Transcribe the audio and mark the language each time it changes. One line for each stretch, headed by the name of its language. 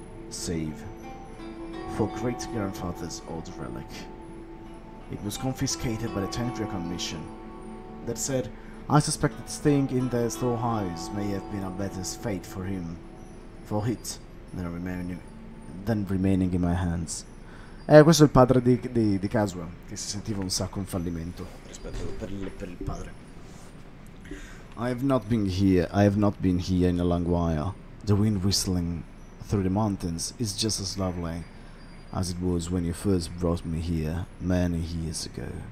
English: Save for great grandfather's old relic. It was confiscated by the Tendria Commission. That said, I suspect that staying in their storehouse may have been a better fate for him, for it, than remaining in my hands.
Italian: Questo è il padre di Caswell, che si sentiva un sacco un fallimento rispetto per il padre.
English: I have not been here in a long while. The wind whistling through the mountains is just as lovely as it was when you first brought me here many years ago.